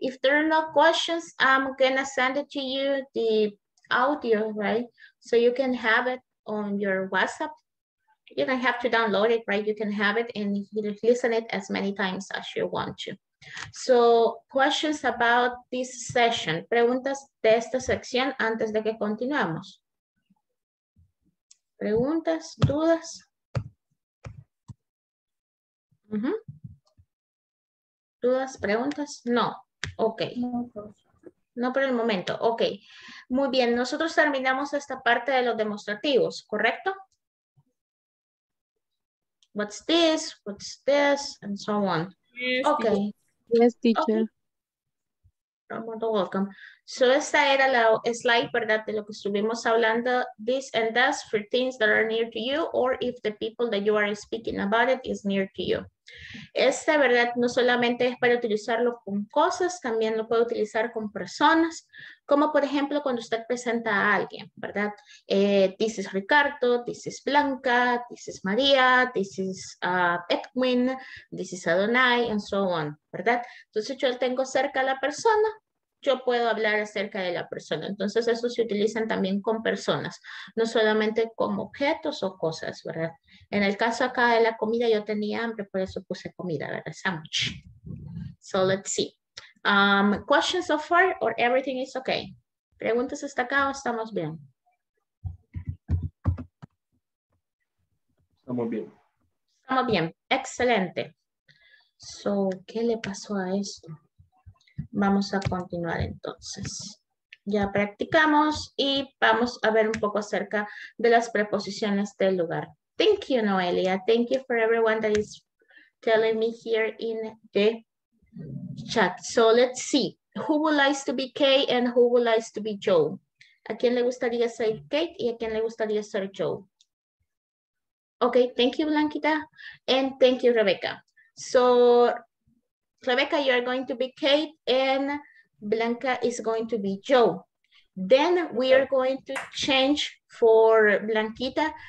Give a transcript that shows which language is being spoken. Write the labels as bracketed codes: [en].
[en] If there are no questions, I'm going to send it to you, the audio, right? So you can have it on your WhatsApp. You don't have to download it, right? You can have it and you can listen it as many times as you want to. So questions about this session. [es] Preguntas de esta sección antes de que continuemos. Preguntas, dudas. Dudas, preguntas. No. Ok. No por el momento. Ok. Muy bien. Nosotros terminamos esta parte de los demostrativos, ¿correcto? [en] What's this? What's this? And so on. Yes, okay. Teacher. Yes, teacher. Okay. You're welcome. So [es] esta era la slide, ¿verdad? De lo que estuvimos hablando. [en] This and that for things that are near to you or if the people that you are speaking about it is near to you. [es] Esta, ¿verdad? No solamente es para utilizarlo con cosas, también lo puede utilizar con personas. Como por ejemplo cuando usted presenta a alguien, ¿verdad? This is Ricardo, this is Blanca, this is María, this is Edwin, this is Adonai, and so on, ¿verdad? Entonces yo tengo cerca a la persona. Yo puedo hablar acerca de la persona. Entonces, eso se utilizan también con personas, no solamente con objetos o cosas, ¿verdad? En el caso acá de la comida, yo tenía hambre, por eso puse comida, ¿verdad? [en] Sandwich. So, let's see. Questions so far or everything is okay? [es] ¿Preguntas hasta acá o estamos bien? Estamos bien. Estamos bien. Excelente. So, ¿qué le pasó a esto? Vamos a continuar entonces. Ya practicamos y vamos a ver un poco acerca de las preposiciones del lugar. [en] Thank you, Noelia. Thank you for everyone that is telling me here in the chat. So let's see. Who would like to be Kate and who would like to be Joe? [es] ¿A quién le gustaría ser Kate y a quién le gustaría ser Joe? [en] Okay, thank you, Blanquita. And thank you, Rebecca. So, Rebecca, you are going to be Kate, and Blanca is going to be Joe. Then we are going to change for Blanquita.